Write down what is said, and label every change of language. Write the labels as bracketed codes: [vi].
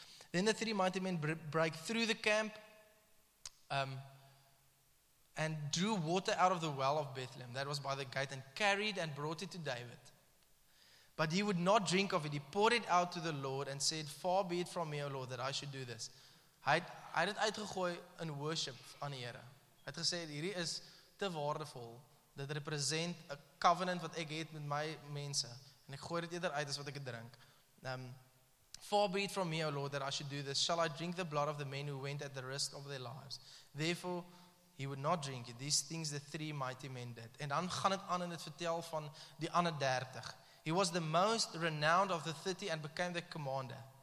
[en] Then the three mighty men break through the camp and drew water out of the well of Bethlehem that was by the gate and carried and brought it to David. But he would not drink of it. He poured it out to the Lord and said, "Far be it from me, O Lord, that I should do this." [af] Hy het uitgegooi in [en] worship [af] aan die Here. Hy het gesê, hierdie is te waardevol. Dit [en] represent [af] a covenant wat ek het met my mense. En ek gooi dit eerder uit as wat ek het drink. [en] "Far be it from me, O Lord, that I should do this. Shall I drink the blood of the men who went at the risk of their lives?" Therefore, he would not drink it. These things the three mighty men did. [af] En dan gaan het aan en het vertel van die ander 30. [en] He was the most renowned of the 30 and became the commander.